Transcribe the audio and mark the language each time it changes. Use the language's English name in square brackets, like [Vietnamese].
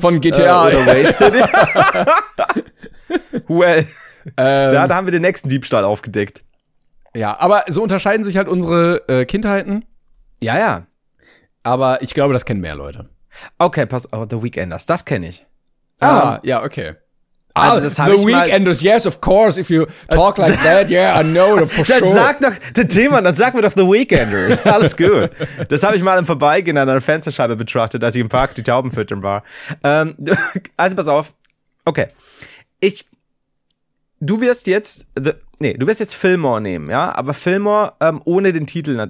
[German] Von GTA. Oder Wasted? Well, da haben wir den nächsten Diebstahl aufgedeckt. Ja, aber so unterscheiden sich halt unsere Kindheiten. Ja, ja. Aber ich glaube, das kennen mehr Leute. Okay, pass auf, The Weeknders, das kenne ich. Ah, ja, okay. [English] Also, The Weeknders, yes, of course, if you talk like that, yeah, I know, for sure. [German] Dann sag mir doch The Weeknders, alles gut. Das habe ich mal im Vorbeigehen an einer Fensterscheibe betrachtet, als ich im Park die Tauben füttern war. Also, pass auf. Okay. Du wirst jetzt Fillmore nehmen, ja? Aber Fillmore ohne den Titel.